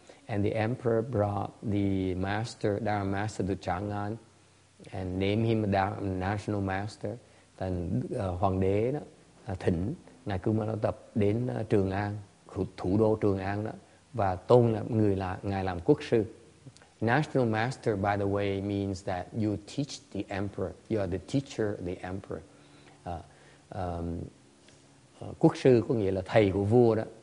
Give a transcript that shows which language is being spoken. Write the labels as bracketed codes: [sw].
[en] And the emperor brought the master, Dharma master, to Chang'an and named him the national master. [vi] Then hoàng đế đó thỉnh Ngài Kumarasap đến Trường An, thủ đô Trường An đó, và tôn người là Ngài làm quốc sư. [en] National master, by the way, means that you teach the emperor. You are the teacher of the emperor. [vi] Quốc sư có nghĩa là thầy của vua đó.